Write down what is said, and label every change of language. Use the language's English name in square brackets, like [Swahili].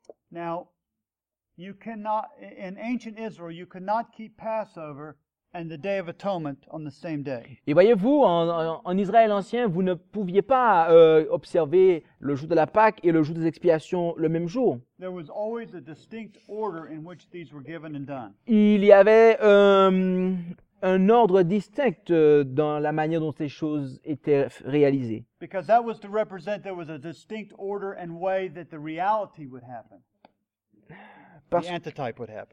[English] Now, you cannot in ancient Israel you could not keep Passover and the Day of Atonement on the same day. [French] Et voyez-vous, en Israël ancien, vous ne pouviez pas observer le jour de la Pâque et le jour des expiations le même jour. [English] There was always a distinct order in which these were given and done. [French] Il y avait un ordre distinct dans la manière dont ces choses étaient réalisées. [English] Because that was to represent there was a distinct order and way that the reality would happen. The antitype would happen.